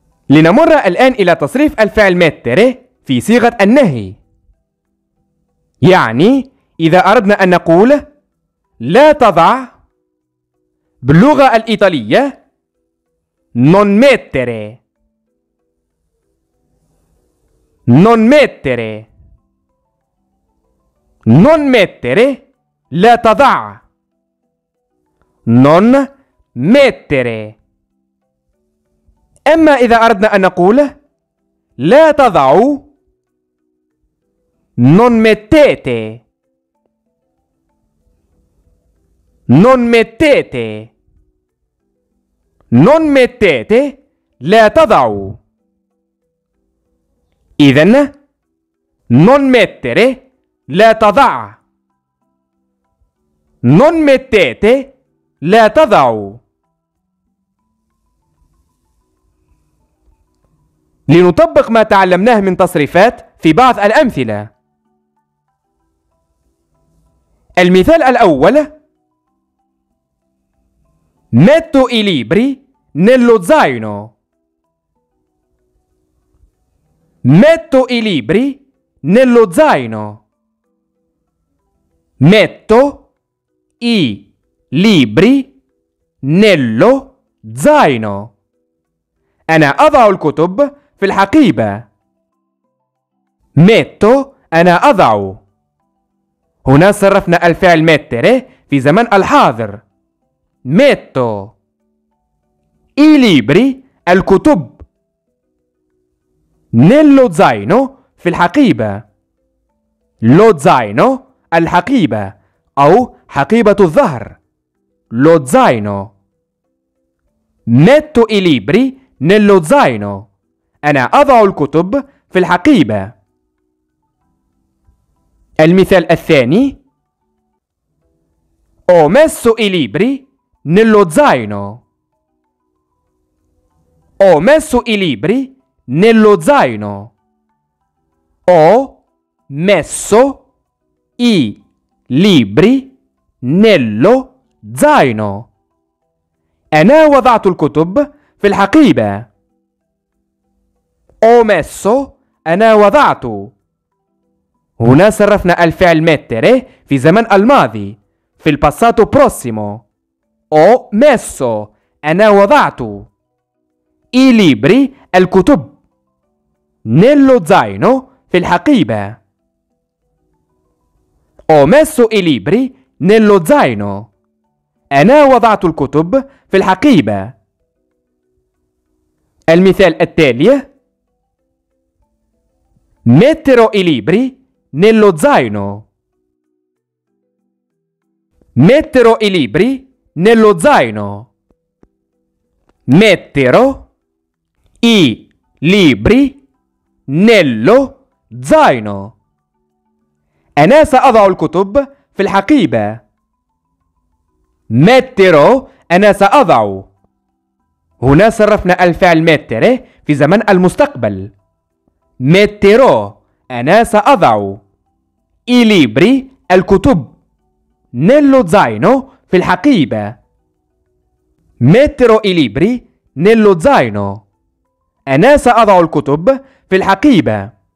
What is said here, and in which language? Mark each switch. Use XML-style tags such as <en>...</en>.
<ar>لنمر الآن إلى تصريف الفعل mettere في صيغة النهي، يعني إذا أردنا أن نقول لا تضع باللغة الإيطالية</ar> <it>non mettere non mettere non mettere</it> <ar>لا تضع</ar> <it>non mettere.</it> <ar>أما إذا أردنا أن نقول لا تضع</ar> <it>non mettete non mettete non mettete</it> <ar>لا تضع. إذن</ar> <it>non mettere</it> <ar>لا تضع</ar> <it>non mettete</it> <ar>لا تضع. لنطبق ما تعلمناه من تصريفات في بعض الأمثلة. المثال الأول</ar> <it>metto i libri nello zaino metto i libri nello zaino metto i libri nello zaino</it> <ar>أنا أضع الكتب في الحقيبة. metto أنا أضع. هنا صرفنا الفعل mettere في زمن الحاضر.</ar> <it>metto i libri الكتب nello zaino</it> <ar>في الحقيبة.</ar> <it>lo zaino الحقيبة</it> <ar>أو حقيبة الظهر.</ar> <it>lo zaino metto i libri nello zaino</it> <ar>أنا أضع الكتب في الحقيبة. المثال الثاني</ar> <it>ho messo i libri nello zaino ho messo i libri nello zaino ho messo i libri nello zaino</it> <ar>أنا وضعت الكتب في الحقيبة.</ar> <it>ho messo</it> <ar>أنا وضعت. هنا صرفنا الفعل mettere في زمن الماضي في الباساتو بروسيمو.</ar> <it>ho messo</it> <ar>أنا وضعت</ar> <it>i libri الكتب nello zaino</it> <ar>في الحقيبة.</ar> <it>ho messo i libri nello zaino</it> <ar>أنا وضعت الكتب في الحقيبة. المثال التالي</ar> <it>metterò i libri nello zaino metterò i libri nello zaino metterò i libri nello zaino</it> <ar>أنا سأضع الكتب في الحقيبة. metterò أنا سأضع. هنا صرفنا الفعل mettere في زمن المستقبل. metterò أنا سأضع</ar> <it>i libri الكتب nello zaino</it> <ar>في الحقيبة.</ar> <it>metterò i libri nello zaino</it> <ar>أنا سأضع الكتب في الحقيبة.</ar>